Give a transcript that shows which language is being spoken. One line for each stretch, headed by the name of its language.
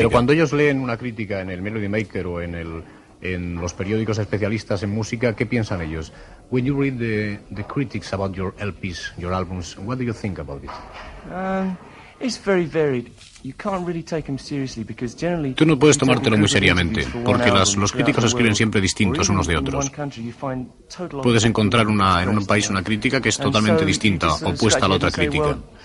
Spanish: Pero cuando ellos leen una crítica en el Melody Maker o en el en los periódicos especialistas en música, ¿qué piensan ellos?
English: When you read the critics about your LPs, your albums, what do you think about it? It's very varied. You can't really take them seriously because generally.
Spanish: Tú no puedes tomártelo muy seriamente, porque los críticos escriben siempre distintos unos de otros. Puedes encontrar en un país una crítica que es totalmente distinta, opuesta a la otra crítica.